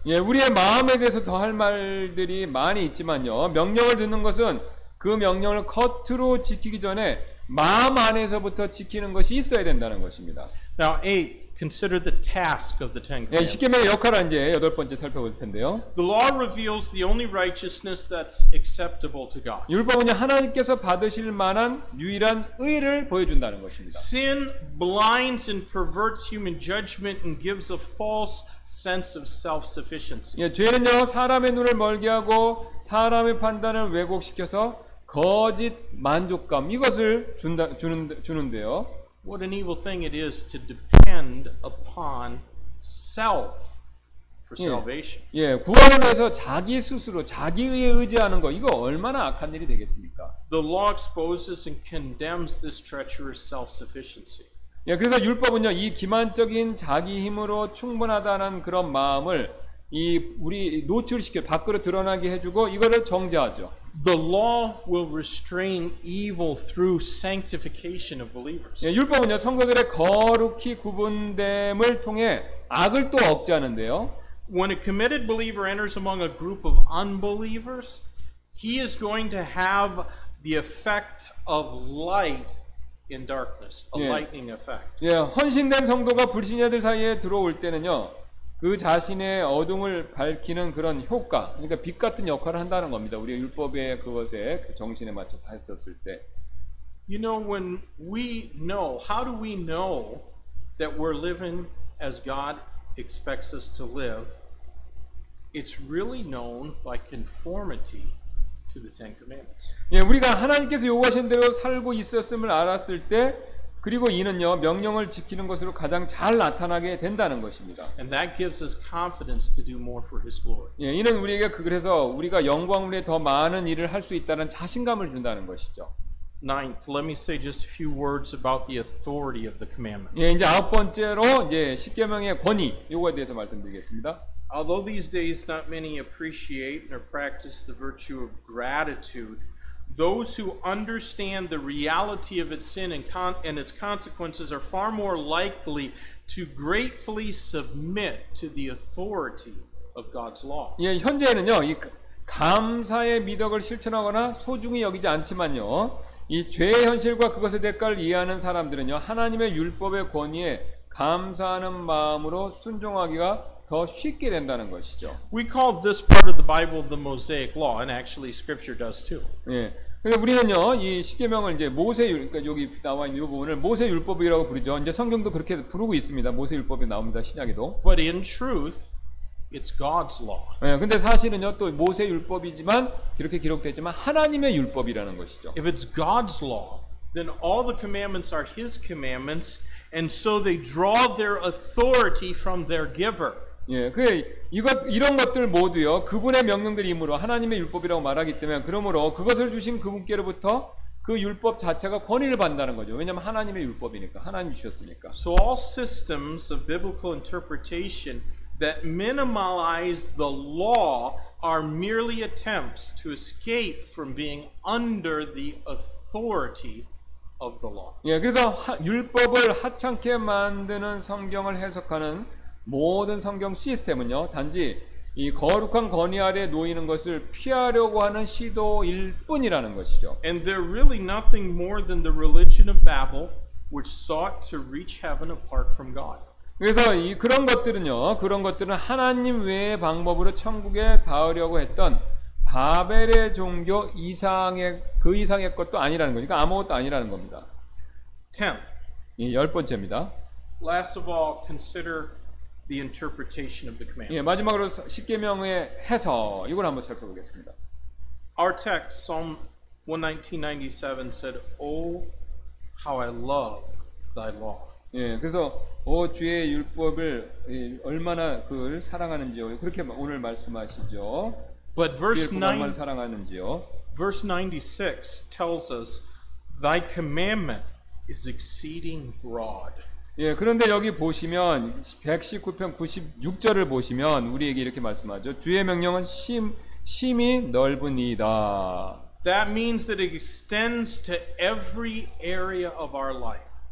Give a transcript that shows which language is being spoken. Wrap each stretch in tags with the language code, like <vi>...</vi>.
<ko>예, 우리의 마음에 대해서 더 할 말들이 많이 있지만요. 명령을 듣는 것은 그 명령을 겉으로 지키기 전에 마음 안에서부터 지키는 것이 있어야 된다는 것입니다.</ko> <en>Now, eighth, consider the task of the Ten Commandments.</en> <ko>십계명의 역할을 이제 여덟 번째 살펴볼 텐데요.</ko> <en>The law reveals the only righteousness that's acceptable to God.</en> <ko>율법은 하나님께서 받으실 만한 유일한 의를 보여준다는 것입니다.</ko> <en>Sin blinds and perverts human judgment and gives a false sense of self-sufficiency.</en> <ko>예, 죄는요, 사람의 눈을 멀게 하고 사람의 판단을 왜곡시켜서 거짓 만족감 이것을 준다 주는데요.</ko> <en>What an evil thing it is to depend upon self for salvation.</en> <ko>예, 예 구원을 위해서 자기 스스로 자기의 의지하는 거 이거 얼마나 악한 일이 되겠습니까?</ko> <en>The law exposes and condemns this treacherous self-sufficiency.</en> <ko>예, 그래서 율법은요 이 기만적인 자기 힘으로 충분하다는 그런 마음을 이 우리 노출시켜 밖으로 드러나게 해주고 이거를 정죄하죠.</ko> <en>The law will restrain evil through sanctification of believers.</en> <ko>예, 율법은요 성도들의 거룩히 구분됨을 통해 악을 또 억제하는데요.</ko> <en>When a committed believer enters among a group of unbelievers, he is going to have the effect of light in darkness, a 예. lightning effect.</en> <ko>예, 헌신된 성도가 불신자들 사이에 들어올 때는요. 그 자신의 어둠을 밝히는 그런 효과, 그러니까 빛 같은 역할을 한다는 겁니다. 우리 율법의 그것에 그 정신에 맞춰서 했었을 때.</ko> <en>You know when we know, how do we know that we're living as God expects us to live? It's really known by conformity to the Ten Commandments.</en> <ko>예, 우리가 하나님께서 요구하신 대로 살고 있었음을 알았을 때. 그리고 이는요 명령을 지키는 것으로 가장 잘 나타나게 된다는 것입니다.</ko> <en>And that gives us confidence to do more for His glory.</en> <ko>예, 이는 우리에게 그래서 우리가 영광을 위해 더 많은 일을 할 수 있다는 자신감을 준다는 것이죠.</ko> <en>Ninth, let me say just a few words about the authority of the commandments.</en> <ko>예, 이제 아홉 번째로 이제 십계명의 권위 이거에 대해서 말씀드리겠습니다.</ko> <en>Although these days not many appreciate nor practice the virtue of gratitude. Those who understand the reality of its sin and its consequences are far more likely to gratefully submit to the authority of God's law.</en> <ko>예, 현재는요, 이 감사의 미덕을 실천하거나 소중히 여기지 않지만요, 이 죄의 현실과 그것의 대가를 이해하는 사람들은요, 하나님의 율법의 권위에 감사하는 마음으로 순종하기가 더 쉽게 된다는 것이죠.</ko> <en>We call this part of the Bible the Mosaic Law, and actually Scripture does too.</en> <ko>예, 그래서 우리는요, 이 십계명을 이제 모세율, 그러니까 여기 나와 있는 이 부분을 모세율법이라고 부르죠. 이제 성경도 그렇게 부르고 있습니다. 모세율법이 나옵니다. 신약에도.</ko> <en>But in truth, it's God's law.</en> <ko>예, 근데 사실은요, 또 모세율법이지만 이렇게 기록됐지만 하나님의 율법이라는 것이죠.</ko> <en>If it's God's law, then all the commandments are His commandments, and so they draw their authority from their giver.</en> <ko>예, 그 이것 이런 것들 모두요 그분의 명령들이므로 하나님의 율법이라고 말하기 때문에 그러므로 그것을 주신 그분께로부터 그 율법 자체가 권위를 받는다는 거죠. 왜냐하면 하나님의 율법이니까 하나님 주셨으니까.</ko> <en>So all systems of biblical interpretation that minimize the law are merely attempts to escape from being under the authority of the law.</en> <ko>예, 그래서 율법을 하찮게 만드는 성경을 해석하는 모든 성경 시스템은요, 단지 이 거룩한 권위 아래 놓이는 것을 피하려고 하는 시도일 뿐이라는 것이죠.</ko> <en>And they're really nothing more than the religion of Babel, which sought to reach heaven apart from God.</en> <ko>그래서 이 그런 것들은요, 그런 것들은 하나님 외의 방법으로 천국에 닿으려고 했던 바벨의 종교 이상의 그 이상의 것도 아니라는 거니까 아무것도 아니라는 겁니다.</ko> <en>Tenth.</en> <ko>이 열 번째입니다.</ko> <en>Last of all, consider the interpretation of the command.</en> <ko>예, 마지막으로 십계명의 해석 이걸 한번 살펴보겠습니다.</ko> <en>Our text Psalm 119:97 said, "Oh, how I love thy law."</en> <ko>예, 그래서 오 주의 율법을 예, 얼마나 그걸 사랑하는지요. 그렇게 오늘 말씀하시죠.</ko> <en>But verse 9</en> <ko>사랑하는지요.</ko> <en>Verse 96 tells us thy commandment is exceeding broad.</en> <ko>예, 그런데 여기 보시면 119편 96절을 보시면 우리에게 이렇게 말씀하죠. 주의 명령은 심 심히 넓으니이다.</ko> <en>That means that it extends to every area of our life.</en>